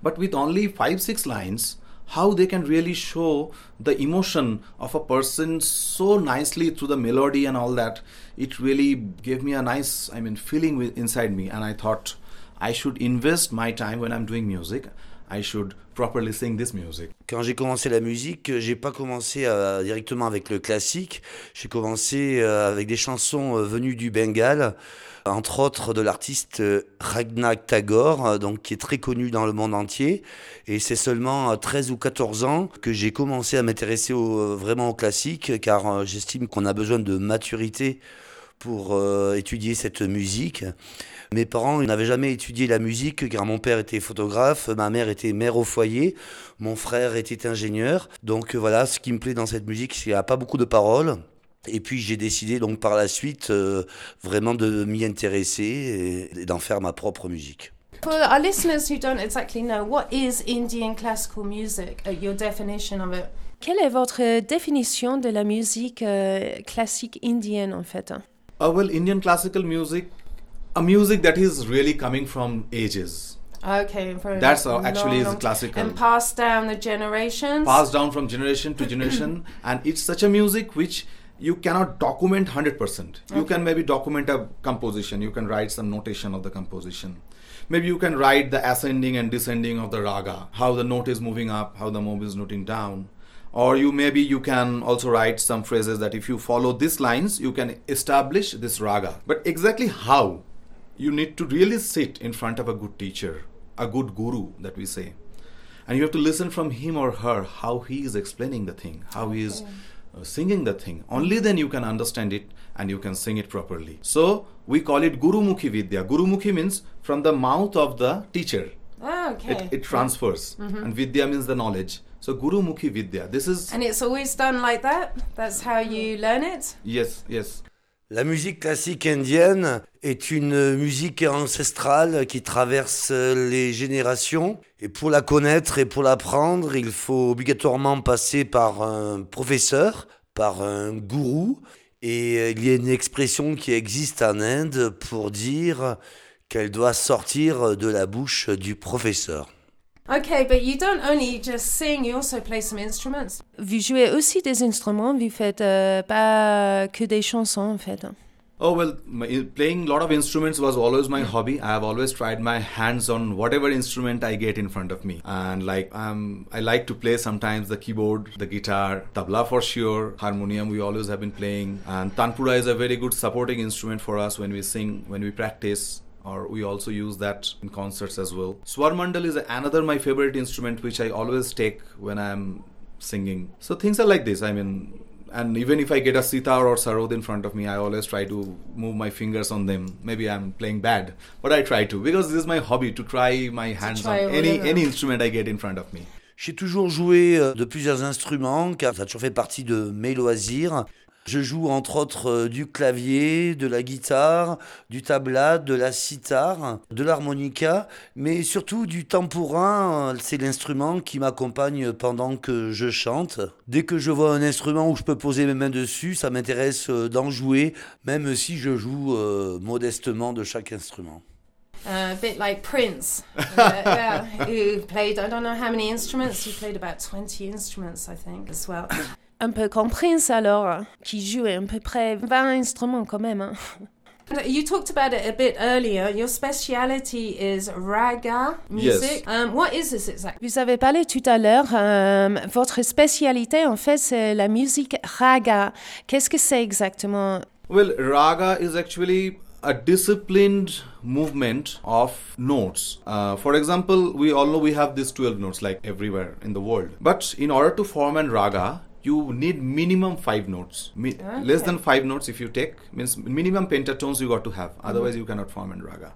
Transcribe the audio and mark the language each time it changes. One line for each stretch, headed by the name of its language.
English: But with only 5-6 lines, how they can really show the emotion of a person so nicely through the melody and all that. It really gave me a nice, feeling inside me. And I thought, I should invest my time when I'm doing music. I should properly sing this music.
French: Quand j'ai commencé la musique, j'ai pas commencé directement avec le classique. J'ai commencé avec des chansons venues du Bengale, entre autres de l'artiste Rabindranath Tagore, donc qui est très connu dans le monde entier. Et c'est seulement à 13 ou 14 ans que j'ai commencé à m'intéresser vraiment au classique, car j'estime qu'on a besoin de maturité pour étudier cette musique. Mes parents n'avaient jamais étudié la musique, car mon père était photographe, ma mère était mère au foyer, mon frère était ingénieur. Donc voilà, ce qui me plaît dans cette musique, c'est qu'il n'y a pas beaucoup de paroles. Et puis j'ai décidé donc par la suite vraiment de m'y intéresser et d'en faire ma propre musique.
English: For our listeners who don't exactly know, what is Indian classical music, your definition of it?
French: Quelle est votre définition de la musique classique indienne, en fait?
English: Indian classical music, a music that is really coming from ages. Okay, that's actually is classical. And passed down the generations? Passed down from generation to generation. And it's such a music which you cannot document 100%. Okay. You can maybe document a composition. You can write some notation of the composition. Maybe you can write the ascending and descending of the raga, how the note is moving up, how the move is noting down. Or you can also write some phrases that if you follow these lines, you can establish this raga. But exactly how? You need to really sit in front of a good teacher, a good guru that we say. And you have to listen from him or her, how he is explaining the thing, how he is singing the thing. Only then you can understand it and you can sing it properly. So we call it Guru Mukhi Vidya. Guru Mukhi means from the mouth of the teacher. Oh, okay. It transfers. Yeah. Mm-hmm. And Vidya means the knowledge. So Guru Mukhi Vidya. This is. And it's always done like that? That's how you learn it? Yes, yes.
French: La musique classique indienne est une musique ancestrale qui traverse les générations. Et pour la connaître et pour l'apprendre, il faut obligatoirement passer par un professeur, par un gourou. Et il y a une expression qui existe en Inde pour dire qu'elle doit sortir de la bouche du professeur.
English: Okay, but you don't only just sing, you also play some instruments.
French: Vous jouez aussi des instruments, vous faites pas que des chansons en fait.
English: Oh, well, playing a lot of instruments was always my hobby. I have always tried my hands on whatever instrument I get in front of me. And I like to play sometimes the keyboard, the guitar, tabla for sure, harmonium we always have been playing. And tanpura is a very good supporting instrument for us when we sing, when we practice, or we also use that in concerts as well. Swarmandal is another my favorite instrument, which I always take when I'm singing. So things are like this. And even if I get a sitar or sarod in front of me, I always try to move my fingers on them. Maybe I'm playing bad, but I try to, because this is my hobby, to try my To hands on try any whatever. instrument I get in front of me.
French: J'ai toujours joué de plusieurs instruments, car ça a toujours fait partie de mes loisirs. Je joue entre autres du clavier, de la guitare, du tabla, de la sitar, de l'harmonica, mais surtout du tambourin. C'est l'instrument qui m'accompagne pendant que je chante. Dès que je vois un instrument où je peux poser mes mains dessus, ça m'intéresse d'en jouer, même si je joue modestement de chaque instrument.
English: A bit like Prince, who played, I don't know how many instruments, he played about 20 instruments, I think, as well.
French: Un peu comme Prince alors, qui jouait à peu près 20 instruments quand même. Hein.
English: You talked about it a bit earlier. Your speciality is raga music. Yes. What is this exactly?
French: Vous avez parlé tout à l'heure. Votre spécialité, en fait, c'est la musique raga. Qu'est-ce que c'est exactement?
English: Well, raga is actually a disciplined movement of notes. For example, we all know we have these 12 notes like everywhere in the world. But in order to form an raga, you need minimum 5 notes. Less than Okay. 5 notes, if you take, means minimum pentatones you got to have. Otherwise, you cannot form an raga.